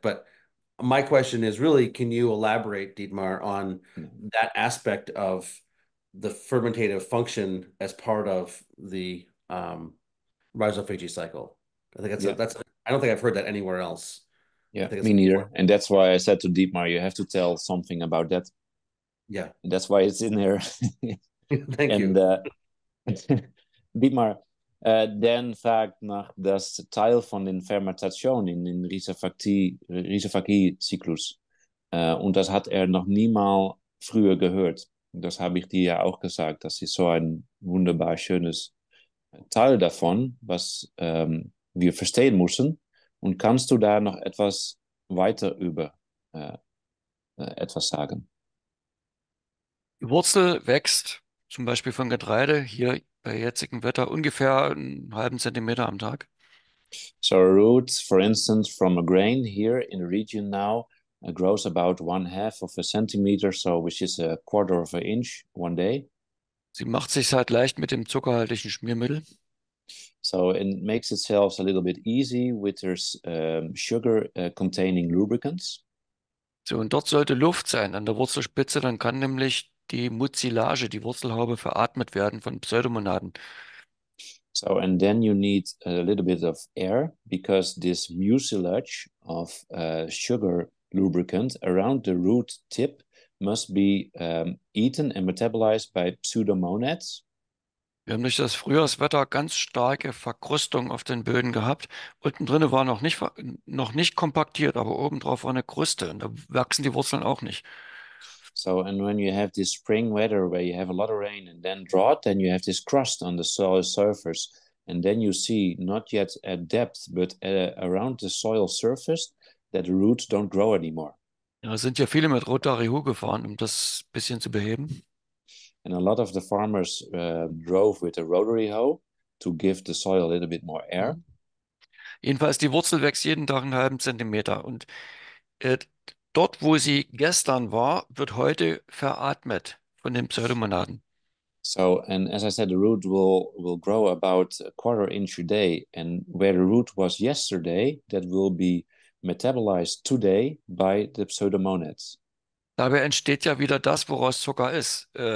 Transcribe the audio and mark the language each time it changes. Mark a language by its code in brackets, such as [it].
[en] But my question is really, can you elaborate, Dietmar, on that aspect of the fermentative function as part of the rhizophagy cycle? I think that's I don't think I've heard that anywhere else. Yeah, me neither. And that's why I said to Dietmar, you have to tell something about that. Yeah. And that's why it's in there. Thank and, you. [de] Dietmar, den vaagt nach das Teil von den Fermentationen in Rhizophagie-Zyklus. Und das hat noch niemals früher gehört. Das habe ich dir ja auch gesagt. Das ist so ein wunderbar schönes Teil davon, was wir verstehen müssen. Und kannst du da noch etwas weiter über etwas sagen? Die Wurzel wächst zum Beispiel von Getreide hier bei jetzigem Wetter ungefähr einen halben Zentimeter am Tag. [en] So a root, for instance, from a grain here in the region now, grows about 1/2 cm, so which is 1/4 inch one day. [de] Sie macht sich halt leicht mit dem zuckerhaltigen Schmiermittel. [en] So it makes itself a little bit easy with its sugar-containing lubricants. [de] So, und dort sollte Luft sein an der Wurzelspitze, dann kann nämlich die Mucilage, die Wurzelhaube, veratmet werden von Pseudomonaden. [en] So, and then you need a little bit of air, because this mucilage of sugar lubricant around the root tip must be eaten and metabolized by pseudomonads. [de] Wir haben durch das Frühjahrswetter ganz starke Verkrustung auf den Böden gehabt. Unten drinne war noch nicht kompaktiert, aber obendrauf war eine Kruste und da wachsen die Wurzeln auch nicht. [en] So, and when you have this spring weather where you have a lot of rain and then drought, then you have this crust on the soil surface. And then you see, not yet at depth, but around the soil surface, that the roots don't grow anymore. [de] Ja, sind ja viele mit Rotary Hu gefahren, um das ein bisschen zu beheben. [en] And a lot of the farmers drove with a rotary hoe to give the soil a little bit more air. [de] Jedenfalls, die Wurzel wächst jeden Tag einen halben Zentimeter. Und dort, wo sie gestern war, wird heute veratmet von den Pseudomonaden. [en] So, and as I said, the root will grow about 1/4 inch a day. And where the root was yesterday, that will be metabolized today by the Pseudomonads. [de] Dabei entsteht ja wieder das, woraus Zucker ist.